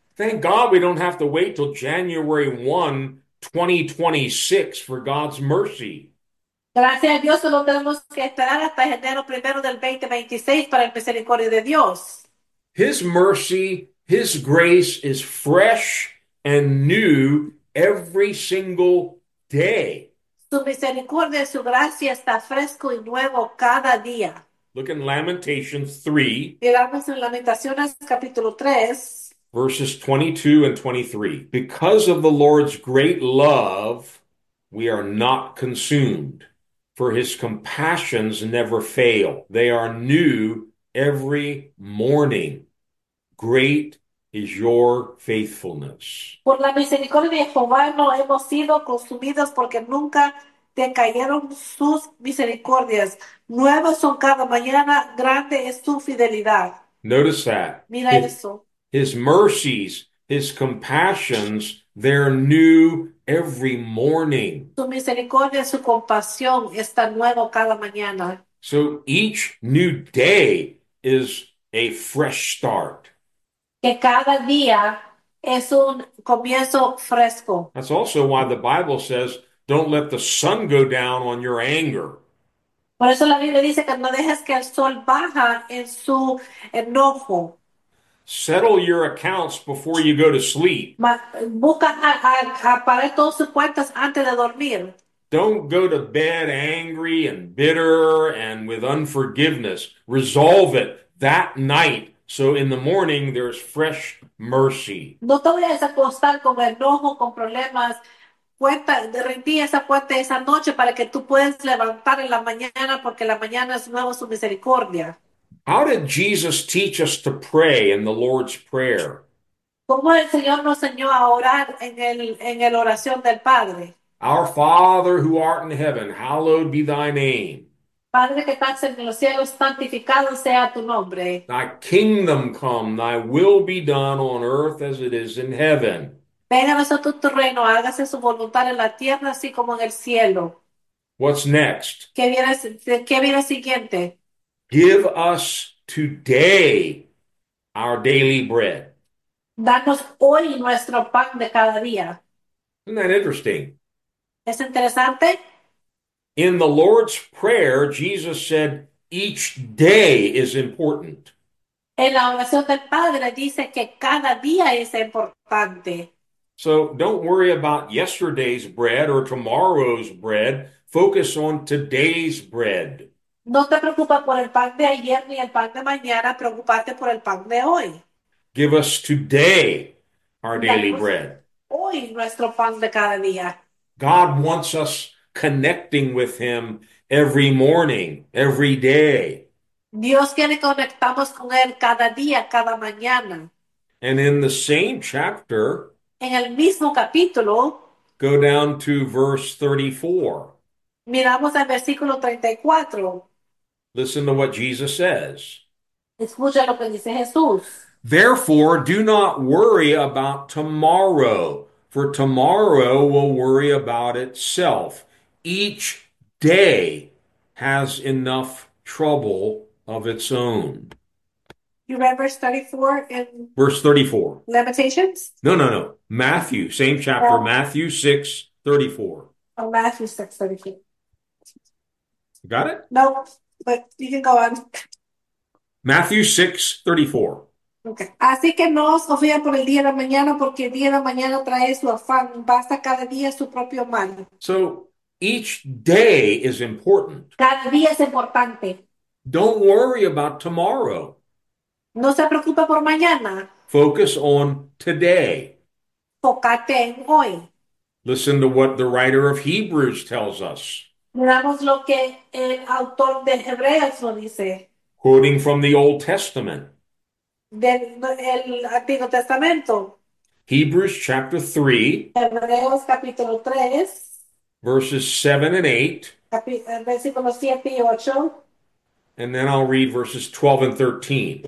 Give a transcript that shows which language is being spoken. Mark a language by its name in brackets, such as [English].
[English] Thank God we don't have to wait till January 1, 2026 for God's mercy. [Spanish] Gracias a Dios, solo tenemos que esperar hasta enero 1 del 2026 para el misericordia de Dios. [English] His mercy, His grace is fresh and new every single day. [Spanish] Su misericordia y su gracia está fresco y nuevo cada día. [English] Look in Lamentations 3, [Spanish] Miramos en Lamentaciones capítulo 3. [English] verses 22 and 23. Because of the Lord's great love, we are not consumed, for His compassions never fail. They are new every morning. Great is your faithfulness. [Spanish] Por la misericordia de Jehová no hemos sido consumidos porque nunca decayeron sus misericordias. Nuevas son cada mañana, grande es su fidelidad. [English] Notice that. [Spanish] Mira eso. [English] His mercies, his compassions, they're new every morning. [Spanish] Su misericordia, su compasión está nuevo cada mañana. [English] So each new day is a fresh start. [Spanish] Que cada día es un comienzo fresco. [English] That's also why the Bible says, don't let the sun go down on your anger. [Spanish] Por eso la Biblia dice que no dejes que el sol baja en su enojo. [English] Settle your accounts before you go to sleep. [Spanish] Busca a pagar todas sus cuentas antes de dormir. [English] Don't go to bed angry and bitter and with unforgiveness. Resolve it that night so in the morning there's fresh mercy. [Spanish] No te vayas a acostar con enojo, con problemas. Rendí esa puerta esa noche para que tú puedas levantar en la mañana porque la mañana es nuevo su misericordia. [English] How did Jesus teach us to pray in the Lord's Prayer? [Spanish] ¿Cómo el Señor nos enseñó a orar en el oración del Padre? [English] Our Father who art in heaven, hallowed be thy name. [Spanish] Padre que estás en los cielos, santificado sea tu nombre. [English] Thy kingdom come, thy will be done on earth as it is in heaven. [Spanish] Venga a nosotros tu reino, hágase su voluntad en la tierra así como en el cielo. [English] What's next? [Spanish] ¿Qué viene siguiente? [English] Give us today our daily bread. [Spanish] Danos hoy nuestro pan de cada día. [English] Isn't that interesting? [Spanish] ¿Es interesante? [English] In the Lord's Prayer, Jesus said, each day is important. [Spanish] En la oración del Padre dice que cada día es importante. [English] So don't worry about yesterday's bread or tomorrow's bread. Focus on today's bread. [Spanish] No te preocupes por el pan de ayer ni el pan de mañana, preocúpate por el pan de hoy. [English] Give us today our daily [Spanish] Danos [English] bread. [Spanish] hoy nuestro pan de cada día. [English] God wants us connecting with Him every morning, every day. [Spanish] Dios quiere que conectamos con Él cada día, cada mañana. [English] And in the same chapter, [Spanish] En el mismo capítulo, [English] go down to verse 34. [Spanish] miramos al versículo 34. [English] Listen to what Jesus says. [Spanish] Escucha lo que dice Jesús. [English] Therefore, do not worry about tomorrow, for tomorrow will worry about itself. Each day has enough trouble of its own. You read verse 34 in Verse 34. Lamentations? No. Matthew, same chapter, Matthew 6, 34. Matthew 6:32. You got it? No, but you can go on. Matthew 6, 34. Okay. [Spanish] Así que no os confíen por el día de la mañana, porque el día de la mañana trae su afán. Basta cada día su propio mal. [English] So each day is important. [Spanish] Cada día es importante. [English] Don't worry about tomorrow. [Spanish] No se preocupe por mañana. [English] Focus on today. [Spanish] Focate en hoy. [English] Listen to what the writer of Hebrews tells us. [Spanish] Veamos lo que el autor de Hebreos lo dice. [English] Quoting from the Old Testament. [Spanish] Del Antiguo Testamento. [English] Hebrews chapter 3, [Spanish] Hebreos capítulo 3, [English] verses 7 and 8. [Spanish] versículos 7 y 8. [English] And then I'll read verses 12 and 13.